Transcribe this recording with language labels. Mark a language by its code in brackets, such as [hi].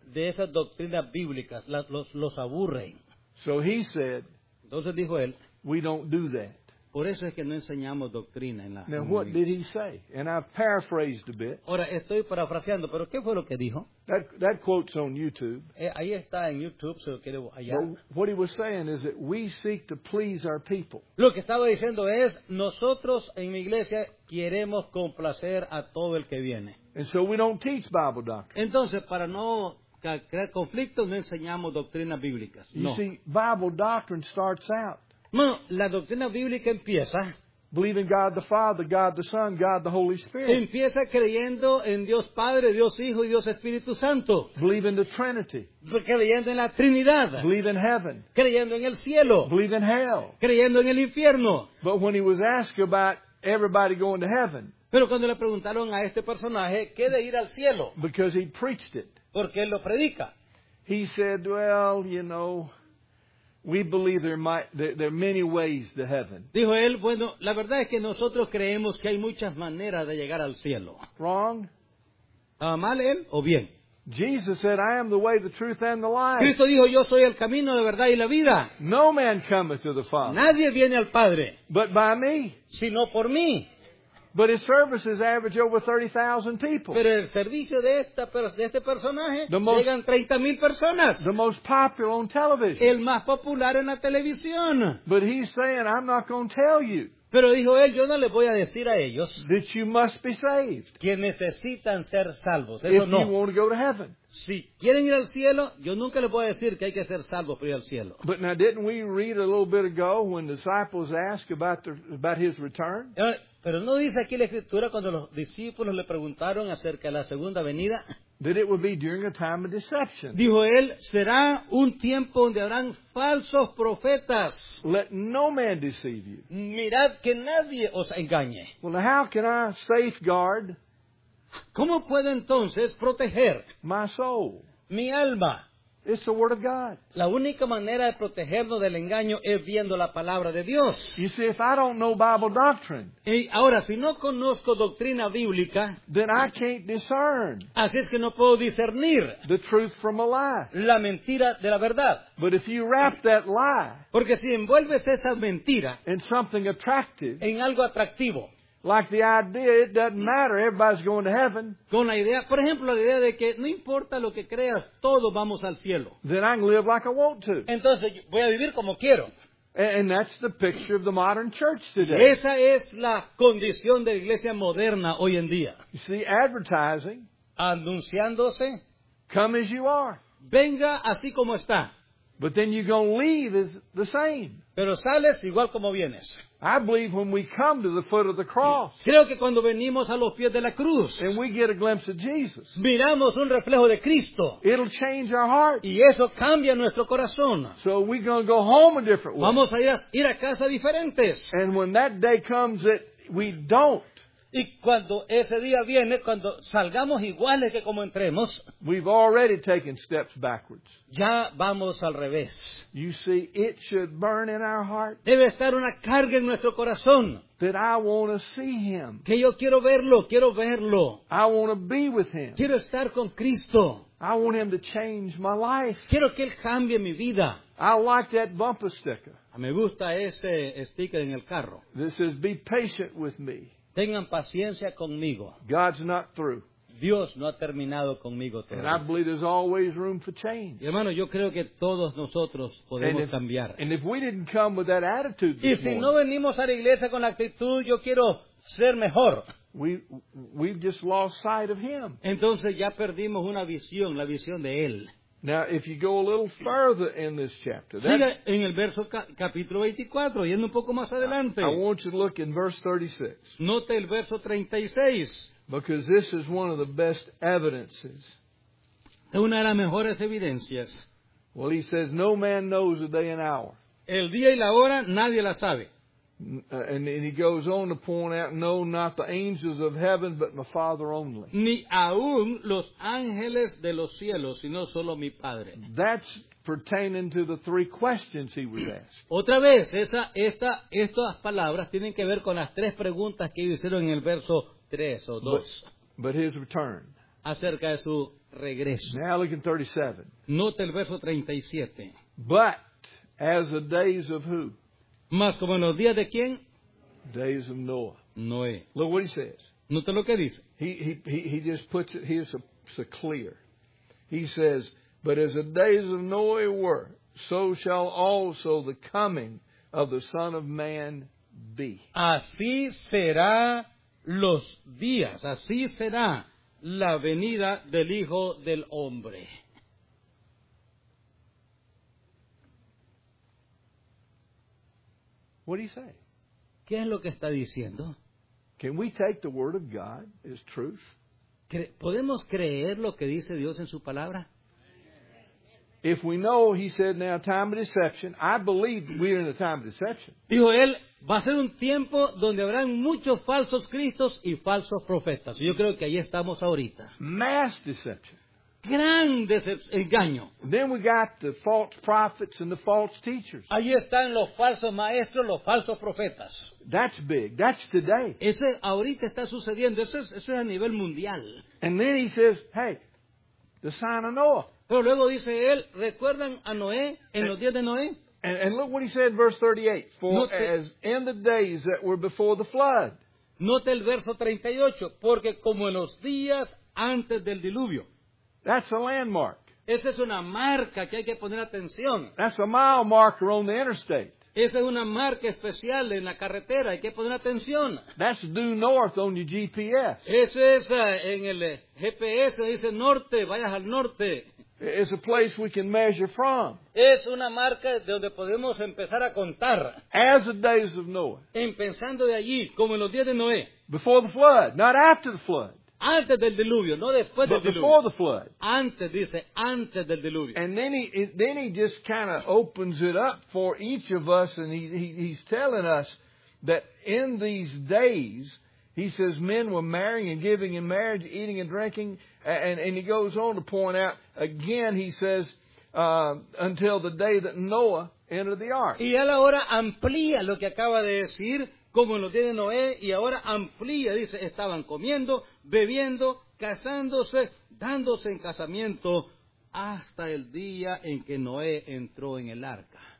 [es] de esas doctrinas bíblicas, los aburren. [en] So he said, [es] entonces dijo él, [en] we don't do that. [es] Por eso es que no enseñamos doctrina en la [en] Now what did he say? And I paraphrased a bit. [es] Ahora estoy parafraseando, pero ¿qué fue lo que dijo? [en] That quote's on YouTube. [es] Ahí está en YouTube, se lo quiero hallar. [en] But what he was saying is that we seek to please our people. [es] Lo que estaba diciendo es, nosotros en mi iglesia queremos complacer a todo el que viene. [en] And so we don't teach Bible doctrine. [es] Entonces, para no crear conflictos, no enseñamos doctrinas bíblicas. [en] You [es] no. [en] See, Bible doctrine starts out. [es] No, la doctrina bíblica empieza. [en] Believe in God the Father, God the Son, God the Holy Spirit. [es] Empieza creyendo en Dios Padre, Dios Hijo y Dios Espíritu Santo. [en] Believe in the Trinity. [es] Creyendo en la Trinidad. [en] Believe in heaven. [es] Creyendo en el cielo. [en] Believe in hell. [es] Creyendo en el infierno. [en] But when he was asked about everybody going to heaven. [es] Pero cuando le preguntaron a este personaje, ¿qué de ir al cielo? [en] Because he preached it. [es] Porque él lo predica. [en] He said, well, you know, we believe there are many ways to heaven. [es] Dijo él, bueno, la verdad es que nosotros creemos que hay muchas maneras de llegar al cielo. [en] Wrong? [es] ¿Mal él o bien? [en] Jesus said, I am the way, the truth, and the life. [es] Cristo dijo, yo soy el camino, la verdad y la vida. [en] No man cometh to the Father. [es] Nadie viene al Padre. [en] But by me. [es] Sino por mí. [en] But his services average over 30,000 people. [es] Pero el servicio de este personaje, llegan 30,000 personas. [en] The most popular on television. [es] El más popular en la televisión. [en] But he's saying, I'm not going to tell you. [es] Pero dijo él, yo no le voy a decir a ellos [en] that you must be saved. [es] Que necesitan ser salvos. [en] If [es] eso no. [en] You want to go to heaven. [es] Si quieren ir al cielo, yo nunca les voy a decir que hay que ser salvos para ir al cielo. [en] But now, didn't we read a little bit ago when disciples asked about his return? [es] Pero no dice aquí la Escritura cuando los discípulos le preguntaron acerca de la segunda venida. [en] That it would be during a time of deception. [es] Dijo él, será un tiempo donde habrán falsos profetas. [en] Let no man deceive you. [es] Mirad que nadie os engañe. [en] Well, how can I safeguard? [es] ¿Cómo puedo entonces proteger [en] my soul? [es] Mi alma. [en] It's the word of God. [es] La única manera de protegernos del engaño es viendo la palabra de Dios. [en] You see, if I don't know Bible doctrine, [es] y ahora, si no conozco doctrina bíblica, [en] then I can't discern. [es] Así es que no puedo discernir [en] the truth from a lie. [es] La mentira de la verdad. [en] But if you wrap that lie, [es] porque si envuelves esa mentira [en] in something attractive, [es] en algo atractivo, [en] like the idea, it doesn't matter, everybody's going to heaven. [es] Con la idea, por ejemplo, la idea de que no importa lo que creas, todos vamos al cielo. [en] Then I can live like I want to. [es] Entonces, voy a vivir como quiero. [en] And that's the picture of the modern church today. [es] Esa es la condición de la iglesia moderna hoy en día. [en] You see, advertising. [es] Anunciándose. [en] Come as you are. [es] Venga así como está. [en] But then you're going to leave as the same. [es] Pero sales igual como vienes. [en] I believe when we come to the foot of the cross, [es] creo que cuando venimos a los pies de la cruz, [en] and we get a glimpse of Jesus, [es] miramos un reflejo de Cristo, [en] it'll change our heart. [es] Y eso cambia nuestro corazón. [en] So we're going to go home a different way. [es] Vamos a ir a casa diferentes. [en] And when that day comes that we don't, [es] y cuando ese día viene, cuando salgamos iguales que como entremos, [en] we've already taken steps backwards. [es] Ya vamos al revés. [en] You see, it should burn in our heart. [es] Debe estar una carga en nuestro corazón. [en] That I want to see him. [es] Que yo quiero verlo, quiero verlo. [en] I want to be with him. [es] Quiero estar con Cristo. [en] I want him to change my life. [es] Quiero que él cambie mi vida. [en] I like that bumper sticker. [es] Me gusta ese sticker en el carro. [en] This says, be patient with me. [es] Tengan paciencia conmigo. [en] God's not through. [es] Dios no ha terminado conmigo todavía. [en] And I believe there's always room for change. [es] Y hermano, yo creo que todos nosotros podemos cambiar. [en] And if we didn't come with that attitude this morning, [es] y si no venimos a la iglesia con la actitud, yo quiero ser mejor, [en] we've just lost sight of him. [es] Entonces ya perdimos una visión, la visión de él. [en] Now, if you go a little further in this chapter, [es] siga en el verso capítulo 24, yendo un poco más adelante. [en] I want you to look in verse 36. [es] Note el verso 36. [en] Because this is one of the best evidences. [es] Una de las mejores evidencias. [en] Well, he says, no man knows the day and hour. [es] El día y la hora, nadie la sabe. [en] And he goes on to point out, no, not the angels of heaven, but my Father only. [es] Ni aún los ángeles de los cielos, sino solo mi Padre. [en] That's pertaining to the three questions he was asked. [es] Otra vez, estas palabras tienen que ver con las tres preguntas que hicieron en el verso 3 o 2. [en] But his return. [es] Acerca de su regreso. [en] Now look in 37. [es] Note el verso 37. [en] But as the days of who? [es] Más como en los días de quién? [en] Days of Noah. [es] Noé. [en] Look what he says. [es] Nota lo que dice. [en] He just puts it here so clear. He says, but as the days of Noah were, so shall also the coming of the Son of Man be. [es] Así será los días. Así será la venida del Hijo del Hombre. [en] What do you say? [es] ¿Qué es lo que está diciendo? [en] Can we take the word of God as truth? [es] ¿Podemos creer lo que dice Dios en su palabra? [en] If we know, he said, now time of deception, I believe we're in a time of deception. [es] Dijo él, va a ser un tiempo donde habrán muchos falsos cristos y falsos profetas. Yo creo que ahí estamos ahorita. [en] Mass deception. [es] Gran engaño. [en] Then we got the false prophets and the false teachers. [es] Ahí están los falsos maestros, los falsos profetas. [en] That's big. That's today. [es] Ese ahorita está sucediendo. Eso es a nivel mundial. [en] And then he says, hey, the sign of Noah. [es] Pero luego dice él, ¿recuerdan a Noé en los días de Noé? [en] And look what he said in verse 38. For as in the days that were before the flood. [es] Note el verso 38. Porque como en los días antes del diluvio. [en] That's a landmark. [es] Esa es una marca que hay que poner atención. [en] That's a mile marker on the interstate. [es] Esa es una marca especial en la carretera. Hay que poner atención. [en] That's due north on your GPS. [es] Eso es en el GPS. Dice norte. Vayas al norte. [en] It's a place we can measure from. [es] Es una marca de donde podemos empezar a contar. [en] As the days of Noah. [es] Empezando de allí, como en los días de Noé. [en] Before the flood, not after the flood. [es] Antes del diluvio, no después del diluvio. [en] Before the flood. [es] Antes, dice, antes del diluvio. [en] And then he just kind of opens it up for each of us, and he's telling us that in these days, He says men were marrying and giving in marriage, eating and drinking. And he goes on to point out again, he says, until the day that Noah entered the ark. [es] Y él ahora amplía lo que acaba de decir, como lo tiene Noé, y ahora amplía, dice, estaban comiendo, bebiendo, casándose, dándose en casamiento hasta el día en que Noé entró en el arca.